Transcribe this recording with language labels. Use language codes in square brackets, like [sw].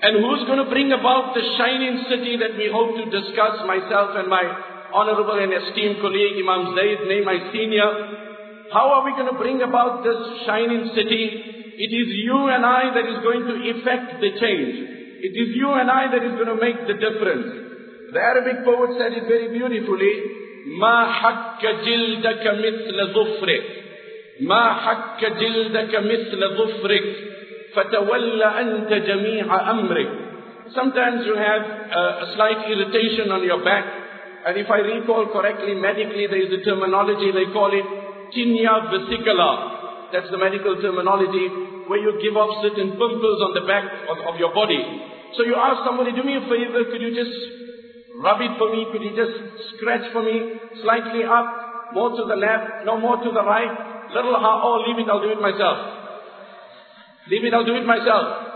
[en] And who's going to bring about the shining city that we hope to discuss, myself and my honorable and esteemed colleague Imam Zaid, nay my senior? How are we going to bring about this shining city? It is you and I that is going to effect the change. It is you and I that is going to make the difference. The Arabic poet said it very beautifully: [ar] مَا حَكَّ جِلْدَكَ مِثْلَ ظُفْرِكَ مَا حَكَّ جِلْدَكَ مِثْلَ ظُفْرِكَ فَتَوَلَّ أَنْتَ جَمِيعَ أَمْرِكَ. [en] Sometimes you have a slight irritation on your back, and if I recall correctly, medically there is a terminology, they call it tinea vesicula. That's the medical terminology, where you give off certain pimples on the back of your body. So you ask somebody, do me a favor, could you just rub it for me, could you just scratch for me, slightly up, more to the left, no, more to the right, little ha, oh, leave it, I'll do it myself. Leave it, I'll do it myself.